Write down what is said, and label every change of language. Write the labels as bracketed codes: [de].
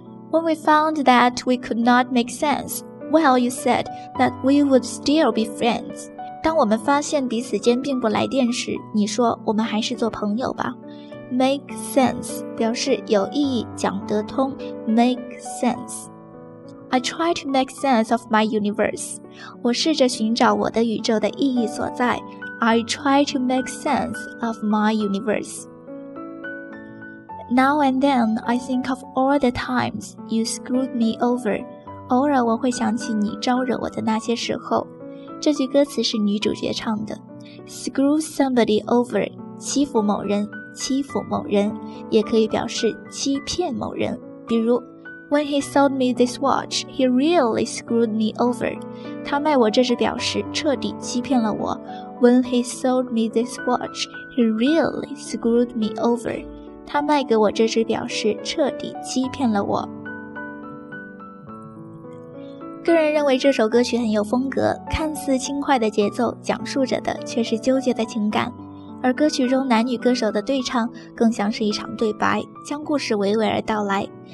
[en] When we found that we could not make sense, well, you said that we would still be friends. [zh] 当我们发现彼此间并不来电时，你说我们还是做朋友吧。 Make sense 表示有意义，讲得通。 [en] Make sense. I try to make sense of my universe. [zh] 我试着寻找我的宇宙的意义所在。 [en] I try to make sense of my universe. Now and then, I think of all the times you screwed me over. [zh] 偶尔我会想起你招惹我的那些时候。这句歌词是女主角唱的。 [en] Screw somebody over, [zh] 欺负某人，欺负某人，也可以表示欺骗某人，比如 [en] When he sold me this watch, he really screwed me over. [zh] 他卖我这只表时彻底欺骗了我。 [en] When he sold me this watch, he really screwed me over. [zh] 他卖给我这只表时彻底欺骗了我。个人认为这首歌曲很有风格，看似轻快的节奏，讲述着的却是纠结的情感。而歌曲中男女歌手的对唱更像是一场对白，将故事娓娓而道来。